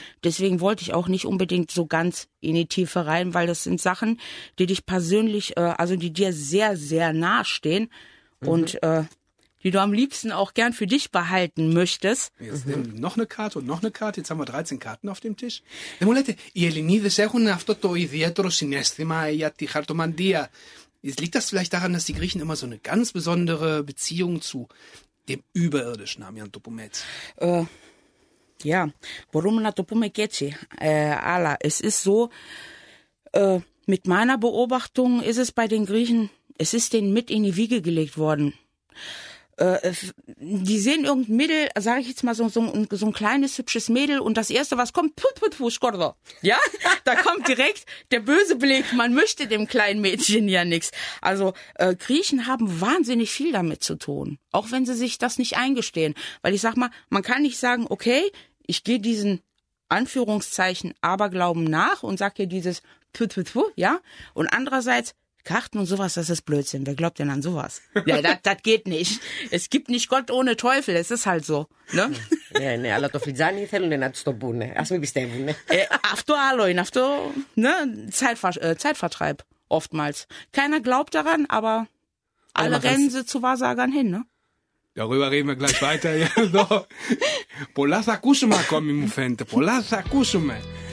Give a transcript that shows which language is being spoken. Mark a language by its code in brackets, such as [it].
[de] Deswegen wollte ich auch nicht unbedingt so ganz in die Tiefe rein, weil das sind Sachen, die dich persönlich, also die dir sehr, sehr nahe stehen und die du am liebsten auch gern für dich behalten möchtest. Jetzt nehmen wir noch eine Karte und noch eine Karte. Jetzt haben wir 13 Karten auf dem Tisch. [el] Δεν μου λέτε, οι Ελληνίδες έχουν αυτό το ιδιαίτερο συνέστημα για τη χαρτομαντία. [de] Liegt das vielleicht daran, dass die Griechen immer so eine ganz besondere Beziehung zu dem Überirdischen haben, Jan Topometz? Ja, [el] μπορούμε να το πούμε και έτσι. Αλλά [de] es ist so, mit meiner Beobachtung ist es bei den Griechen, es ist denen mit in die Wiege gelegt worden. Die sehen irgendein Mädel, sage ich jetzt mal so ein kleines hübsches Mädel und das erste was kommt, Skorzo, ja, da kommt direkt der böse Blick. Man möchte dem kleinen Mädchen ja nichts. Also Griechen haben wahnsinnig viel damit zu tun, auch wenn sie sich das nicht eingestehen, weil ich sag mal, man kann nicht sagen, okay, ich gehe diesen Anführungszeichen Aberglauben nach und sag hier dieses Putputpu, ja, und andererseits Karten und sowas, das ist Blödsinn. Wer glaubt denn an sowas? Ja, das geht nicht. Es gibt nicht Gott ohne Teufel. Es ist halt so. Ne? Ja, ne, aber die Flitzani wollen ja nicht stoppen. Lass mich bestätigen. [el] Afto Aloin, afto, ne? [de] Zeitvertreib oftmals. Keiner glaubt daran, aber alle rennen sie zu Wahrsagern hin, ne? Darüber reden wir gleich weiter. Ja, so. [el] Πολλά θα ακούσουμε ακόμη, μου φαίνεται. Πολλά θα ακούσουμε.